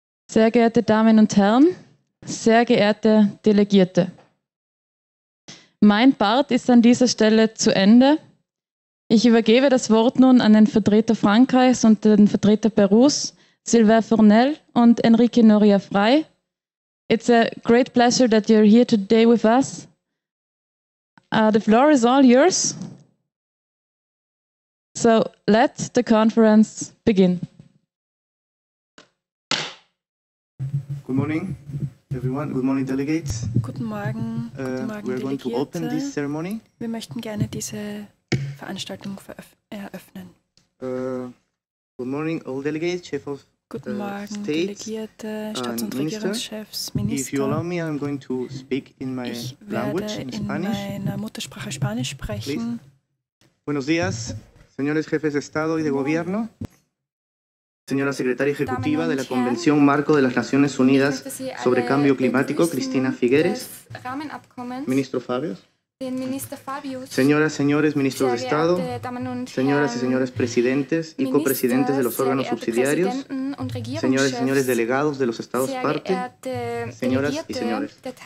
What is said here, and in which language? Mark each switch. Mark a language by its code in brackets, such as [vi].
[de] Sehr geehrte Damen und Herren, sehr geehrte Delegierte, mein Part ist an dieser Stelle zu Ende. Ich übergebe das Wort nun an den Vertreter Frankreichs und den Vertreter Perus, Sylvain Fournel und Enrique Noria Frey. [en] It's a great pleasure that you're here today with us. The floor is all yours. So let the conference begin. Good morning. Everyone, good morning, delegates. [de] Guten Morgen, Delegierte. [en] We're going to open this ceremony. [de] Wir möchten gerne diese Veranstaltung eröffnen. [en] Good morning, all delegates, chief of [de] Guten Morgen, States, Delegierte, Staats- und [en] Minister. [de] Regierungschefs, Minister. [en] If you allow me, I'm going to speak in my language, in Spanish. [de] Ich werde in meiner Muttersprache Spanisch sprechen. [en] Please. [es] Buenos días, señores jefes de Estado y de Gobierno. Señora Secretaria Ejecutiva de la Convención Marco de las Naciones Unidas sobre Cambio Climático, Cristina Figueres, Ministro Fabius, señoras, señores, ministros de Estado, señoras y señores presidentes y copresidentes de los órganos subsidiarios, señoras y señores delegados de los Estados parte, señoras y señores.